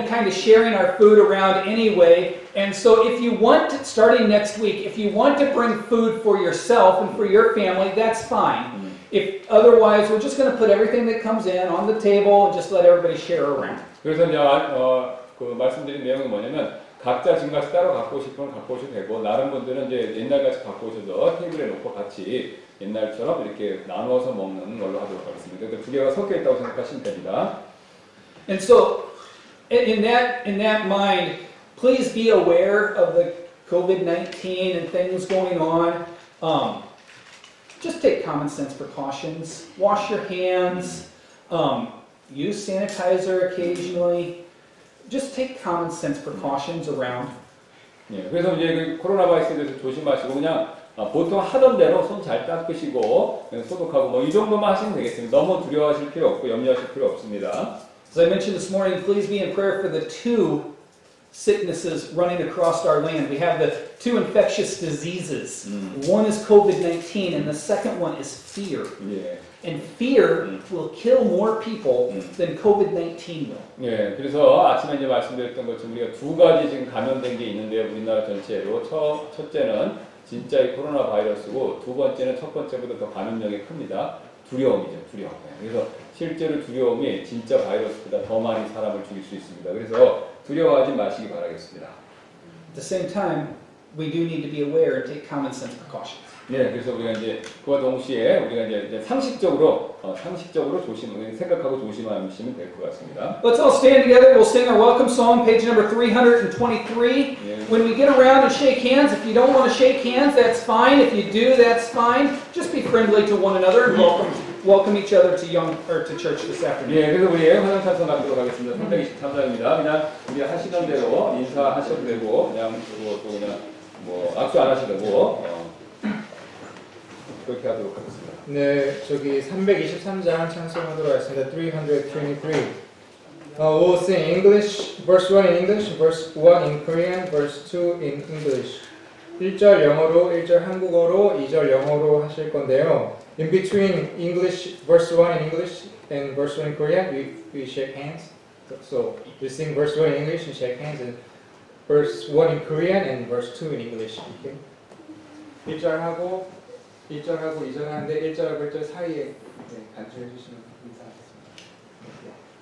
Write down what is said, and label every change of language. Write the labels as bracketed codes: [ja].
[en] Sharing our food around anyway, and so if you want to, starting next week, if you want to bring food for yourself and for your family, that's fine. If otherwise, we're just going to put everything that comes in on the table and just let everybody share around. [ko] 그래서 이제 그 말씀드린 내용은 뭐냐면 각자 지금 같이 따로 갖고 싶으면 갖고 오셔도 되고 다른 분들은 이제 옛날 같이 갖고 오셔서 테이블에 놓고 같이 옛날처럼 이렇게 나눠서 먹는 걸로 하도록 하겠습니다. 그 두 개가 섞여 있다고 생각하시면 됩니다. [en] And so. In that mind, please be aware of the COVID-19 and things going on. Just take common sense precautions. Wash your hands. Use sanitizer occasionally. Just take common sense precautions around. [ko] 예, 그래서 이제 그 코로나 바이러스에 대해서 조심하시고 그냥 보통 하던 대로 손 잘 닦으시고 소독하고 뭐 이 정도만 하시면 되겠습니다. 너무 두려워하실 필요 없고 염려하실 필요 없습니다. [en] As I mentioned this morning, please be in prayer for the two sicknesses running across our land. We have the two infectious diseases. One is COVID-19, and the second one is fear. Yeah. And fear will kill more people than COVID-19 will. Yeah. [ko] 그래서 아침에 이제 말씀드렸던 것처럼 우리가 두 가지 지금 감염된 게 있는데요, 우리나라 전체로 첫째는 진짜 이 코로나 바이러스고 두 번째는 첫 번째보다 더 감염력이 큽니다. 두려움이죠, 두려움. 그래서 실제로 두려움이 진짜 바이러스보다 더 많이 사람을 죽일 수 있습니다. 그래서 두려워하지 마시기 바라겠습니다. [en] At the same time, we do need to be aware and take common sense precautions. [ko] 네, 그래서 우리가 이제 그와 동시에 우리가 이제 상식적으로 조심을 생각하고 조심하시면 될 것 같습니다. [en] Let's all stand together. We'll sing our welcome song, page number 323. 네. When we get around and shake hands, if you don't want to shake hands, that's fine. If you do, that's fine. Just be friendly to one another. Welcome each other to church this afternoon. [ko] 예, 그래서 우리 환영 찬송 하도록 하겠습니다. 323입니다. 그냥 우리 하시던 대로 인사하셔도 되고 그냥 또 그냥 뭐 악수 안 하셔도 되고 그렇게 하도록 하겠습니다. 네, 저기 323장 찬송하도록 하겠습니다. [en] 323. We'll sing English, verse 1 in English, verse 1 in Korean, verse 2 in English. [ko] 1절 영어로, 1절 한국어로, 2절 영어로 하실 건데요. [en] In between English, verse 1 in English and verse 1 in Korean, we shake hands. So we sing verse 1 in English and shake hands, and verse 1 in Korean and verse 2 in English. Okay. [ko] 1절하고 2절 하는데 1절 1절 사이에 네, 간주해 주시면 감사하겠습니다.